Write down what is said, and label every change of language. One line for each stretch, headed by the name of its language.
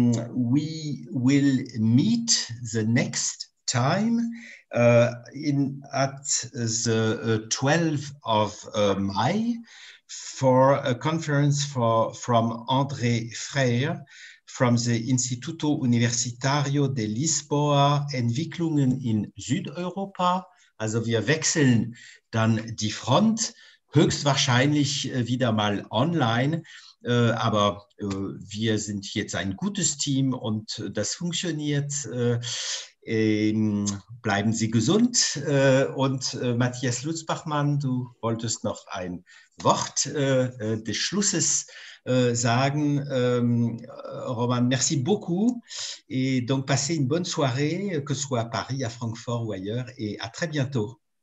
English: we will meet the next time at the 12th of May for a conference from André Freire from the Instituto Universitario de Lisboa,
German: Entwicklungen in Südeuropa. Also wir wechseln dann die Front, höchstwahrscheinlich wieder mal online, aber wir sind jetzt ein gutes Team und das funktioniert. Bleiben Sie gesund. Und Matthias Lutz-Bachmann, du wolltest noch ein Wort des Schlusses sagen,
French: Roman, merci beaucoup. Et donc, passez une bonne soirée, que ce soit à Paris, à Francfort ou ailleurs, et à très bientôt.